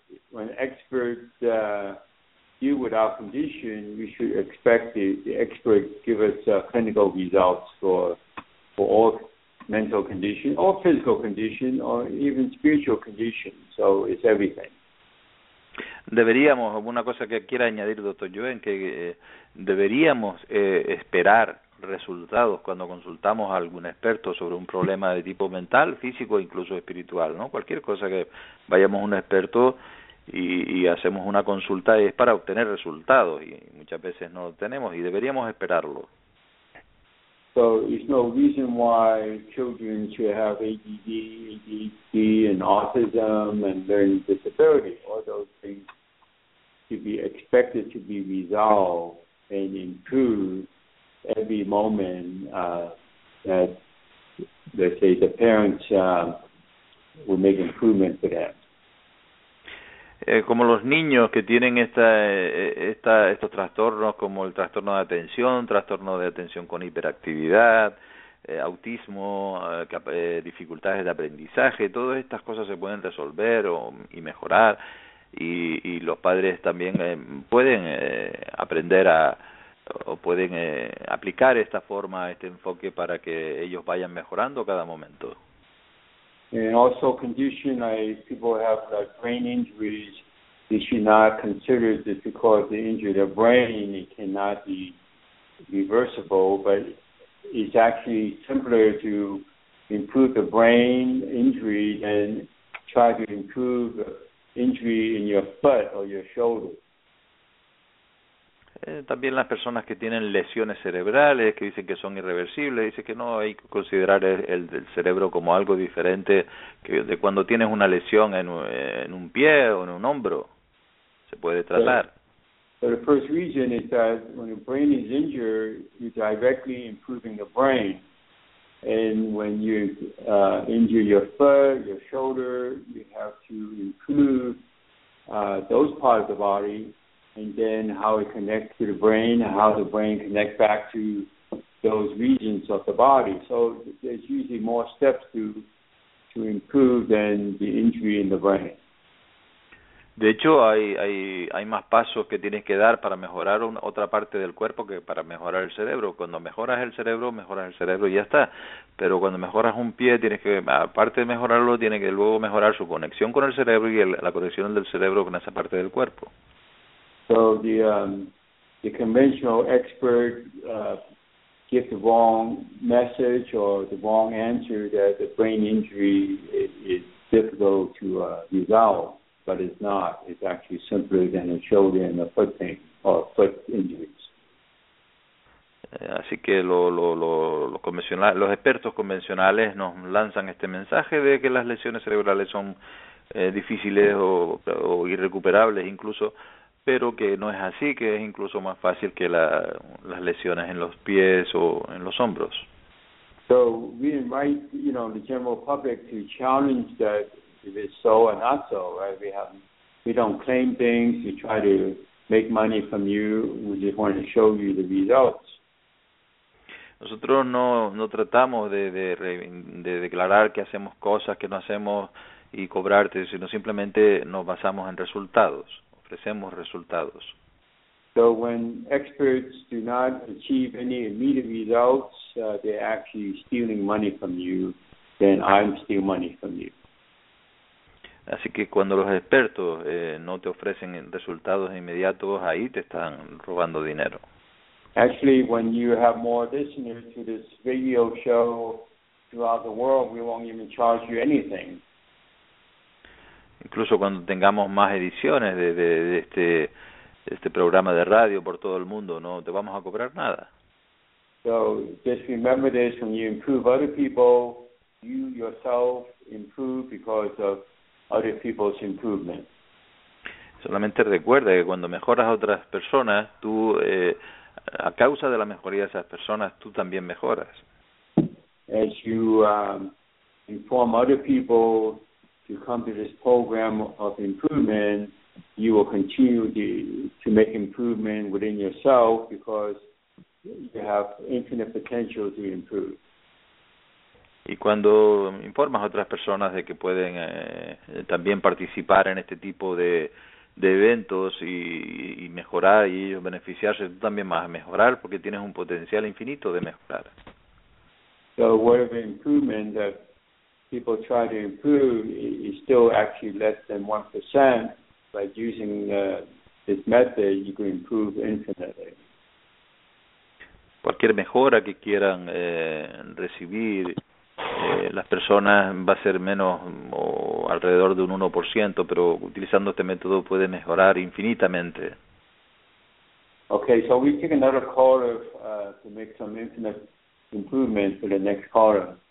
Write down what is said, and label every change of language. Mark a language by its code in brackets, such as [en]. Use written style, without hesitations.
[en] When experts deal with our condition, we should expect the expert give us clinical results for all mental condition, or physical condition, or even spiritual condition. So it's everything. [es] Deberíamos, una cosa que quiera añadir, doctor Yuen, que deberíamos esperar resultados cuando consultamos a algún experto sobre un problema de tipo mental, físico, incluso espiritual, ¿no? Cualquier cosa que vayamos a un experto y hacemos una consulta es para obtener resultados, y muchas veces no lo tenemos y deberíamos esperarlo. [en] So there's no reason why children should have ADD, ADHD, and autism, and learning disability. All those things should be expected to be resolved and improved every moment that, let's say, the parents will make improvement for them. [es] Como los niños que tienen estos trastornos, como el trastorno de atención, trastorno de atención con hiperactividad, autismo, dificultades de aprendizaje, todas estas cosas se pueden resolver y mejorar, y los padres también pueden aprender a o pueden aplicar esta forma, este enfoque, para que ellos vayan mejorando cada momento. [en] And also condition, like people have like brain injuries, they should not consider this because they injured their brain, it cannot be reversible, but it's actually simpler to improve the brain injury than try to improve injury in your foot or your shoulder. [es] También las personas que tienen lesiones cerebrales, que dicen que son irreversibles, dicen que no, hay que considerar el cerebro como algo diferente que de cuando tienes una lesión en un pie o en un hombro, se puede tratar. [en] But the first reason is that when your brain is injured, you're directly improving the brain. And when you injure your foot, your shoulder, you have to improve those parts of the body, and then how it connects to the brain, how the brain connects back to those regions of the body. So there's usually more steps to improve than the injury in the brain. [es] De hecho, hay más pasos que tienes que dar para mejorar otra parte del cuerpo que para mejorar el cerebro. Cuando mejoras el cerebro y ya está. Pero cuando mejoras un pie, tienes que, aparte de mejorarlo, tienes que luego mejorar su conexión con el cerebro y la conexión del cerebro con esa parte del cuerpo. [en] So the conventional expert gives the wrong message or the wrong answer that the brain injury is difficult to resolve. But it's not. It's actually simpler than a shoulder and a foot pain or foot injuries. [es] Así que los expertos convencionales nos lanzan este mensaje de que las lesiones cerebrales son difíciles o irrecuperables incluso, pero que no es así, que es incluso más fácil que las lesiones en los pies o en los hombros. [en] So we invite, you know, the general public to challenge that. If it's so or not so, right? We don't claim things. We try to make money from you. We just want to show you the results. [es] Nosotros no tratamos de declarar que hacemos cosas que no hacemos y cobrarte, sino simplemente nos basamos en resultados. Ofrecemos resultados. [en] So when experts do not achieve any immediate results, they're actually stealing money from you. Then I'm stealing money from you. [es] Así que cuando los expertos no te ofrecen resultados inmediatos, ahí te están robando dinero. [en] Actually, when you have more listeners to this radio show throughout the world, we won't even charge you anything. [es] Incluso cuando tengamos más ediciones de este programa de radio por todo el mundo, no te vamos a cobrar nada. [en] So just remember this: when you improve other people, you yourself improve because of other people's improvement. [es] Solamente recuerda que cuando mejoras a otras personas, tú, a causa de la mejoría de esas personas, tú también mejoras. [en] As you inform other people to come to this program of improvement, you will continue to make improvement within yourself because you have infinite potential to improve. [es] Y cuando informas a otras personas de que pueden también participar en este tipo de eventos y mejorar y ellos beneficiarse, tú también vas a mejorar porque tienes un potencial infinito de mejorar. [en] So whatever improvement that people try to improve is still actually less than 1%, but using this method you can improve infinitely. [es] Cualquier mejora que quieran recibir las personas va a ser menos o alrededor de un 1%, pero utilizando este método puede mejorar infinitamente. [en] Okay, so we take another caller to make some infinite improvement for the next caller.